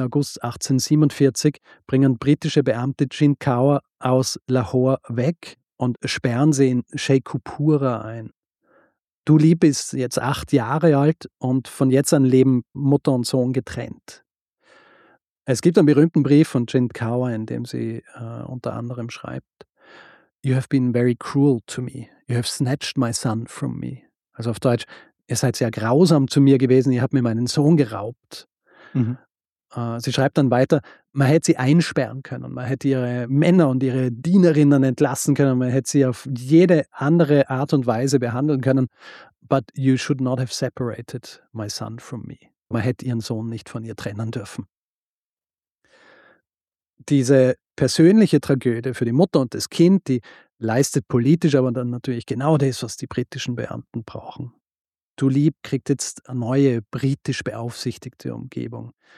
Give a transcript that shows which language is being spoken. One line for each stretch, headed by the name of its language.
German: August 1847 bringen britische Beamte Jind Kaur aus Lahore weg und sperren sie in Sheikhupura ein. Duleep ist jetzt 8 Jahre alt und von jetzt an leben Mutter und Sohn getrennt. Es gibt einen berühmten Brief von Jind Kaur, in dem sie unter anderem schreibt:
English: "You have been very cruel to me. You have snatched my son from me."
German: Also auf Deutsch: Ihr seid sehr grausam zu mir gewesen, ihr habt mir meinen Sohn geraubt. Mhm. Sie schreibt dann weiter: Man hätte sie einsperren können, man hätte ihre Männer und ihre Dienerinnen entlassen können, man hätte sie auf jede andere Art und Weise behandeln können.
English: But you should not have separated my son from me.
German: Man hätte ihren Sohn nicht von ihr trennen dürfen. Diese persönliche Tragödie für die Mutter und das Kind, die leistet politisch aber dann natürlich genau das, was die britischen Beamten brauchen. Duleep kriegt jetzt eine neue britisch beaufsichtigte Umgebung.